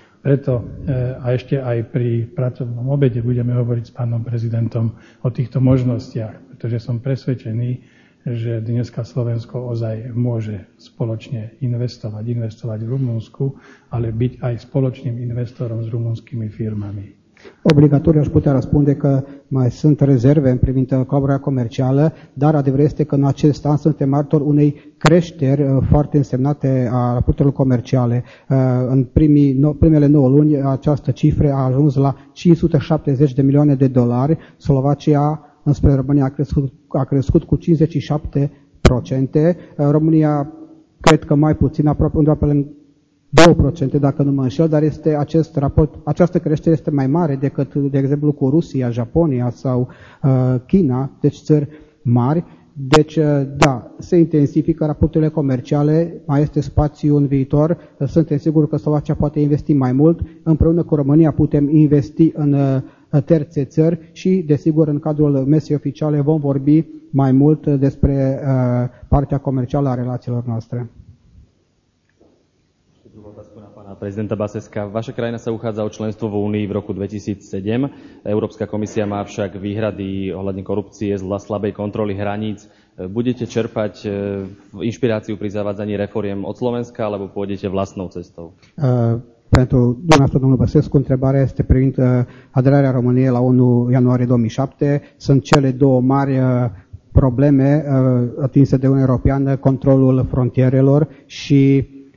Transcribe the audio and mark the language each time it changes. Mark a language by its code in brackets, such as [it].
[sk] Preto a ešte aj pri pracovnom obede budeme hovoriť s pánom prezidentom o týchto možnostiach, pretože som presvedčený, že dneska Slovensko ozaj môže spoločne investovať v Rumunsku, ale byť aj spoločným investorom s rumunskými firmami. [ro] Obligatoriu aș putea răspunde că mai sunt rezerve în privința colaborării comerciale, dar adevărul este că în acest an suntem martori unei creșteri foarte însemnate a raporturilor comerciale. În primele 9 luni această cifră a ajuns la 570 de milioane de dolari. Slovacia, înspre România, a crescut cu 57%. România, cred că mai puțin, aproape undeva pe lângă 2%, dacă nu mă înșel, dar este acest raport, această creștere este mai mare decât, de exemplu, cu Rusia, Japonia sau China, deci țări mari. Deci, da, se intensifică raporturile comerciale, mai este spațiu în viitor, suntem siguri că Slovacia poate investi mai mult, împreună cu România putem investi în terțe țări și, desigur, în cadrul mesei oficiale vom vorbi mai mult despre partea comercială a relațiilor noastre. [sk] Prezidenta Baseska, vaša krajina sa uchádza o členstvo v Únii v roku 2007. Európska komisia má však výhrady ohľadne korupcie, slabej kontroly hraníc. Budete čerpať inšpiráciu pri zavádzaní reforiem od Slovenska, alebo pôjdete vlastnou cestou? [ro] Pentru dumneavoastră, domnul Băsescu, întrebarea este privind aderarea României la ONU ianuarie 2007. Sunt cele două mari probleme atinse de Uniunea Europeană, controlul frontierelor și